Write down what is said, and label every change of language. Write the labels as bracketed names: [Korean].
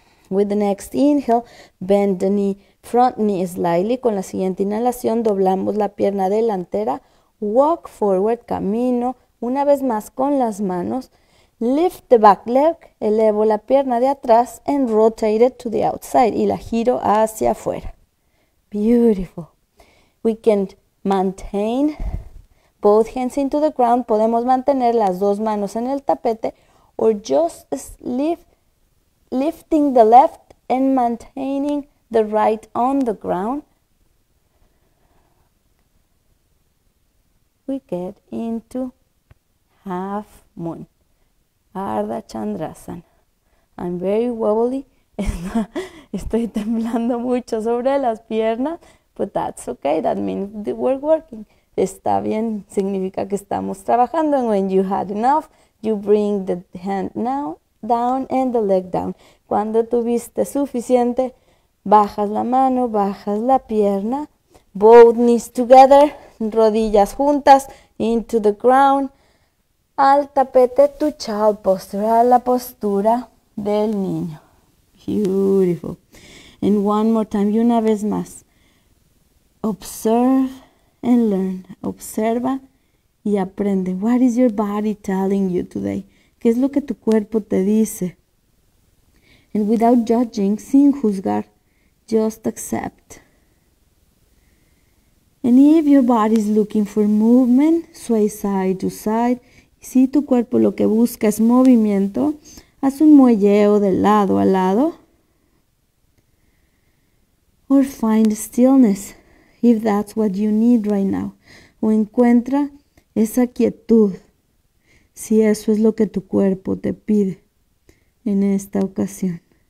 [English] With the next inhale, bend the knee, front knee slightly. [Spanish] Con la siguiente inhalación, doblamos la pierna delantera. [English] Walk forward, [Spanish] camino. Una vez más con las manos. [English] Lift the back leg, [Spanish] elevo la pierna de atrás [English] and rotate it to the outside. [Spanish] Y la giro hacia afuera. Beautiful. [English] We can maintain both hands into the ground. [Spanish] Podemos mantener las dos manos en el tapete [English] or just lift. Lifting the left and maintaining the right on the ground, we get into half moon. [Spanish] Ardha Chandrasana. [English] I'm very wobbly. [Spanish] Estoy temblando mucho sobre las piernas, [English] but that's okay. That means that we're working. [Spanish] Está bien, significa que estamos trabajando. [English] And when you had enough, you bring the hand now. Down and the leg down. [Spanish] Cuando tuviste suficiente, bajas la mano, bajas la pierna. [English] Both knees together, [Spanish] rodillas juntas, [English] into the ground. [Spanish] Al tapete, tu [English] child posture, [Spanish] a la postura del niño. Beautiful. [English] And one more time, [Spanish] y una vez más. [English] Observe and learn. [Spanish] Observa y aprende. [English] What is your body telling you today? [Spanish] ¿Qué es lo que tu cuerpo te dice? [English] And without judging, [Spanish] sin juzgar, [English] just accept. And if your body is looking for movement, sway side to side. [Spanish] Si tu cuerpo lo que busca es movimiento, haz un muelleo de lado a lado. [English] Or find stillness, if that's what you need right now. [Spanish] O encuentra esa quietud. Si eso es lo que tu cuerpo te pide en esta ocasión.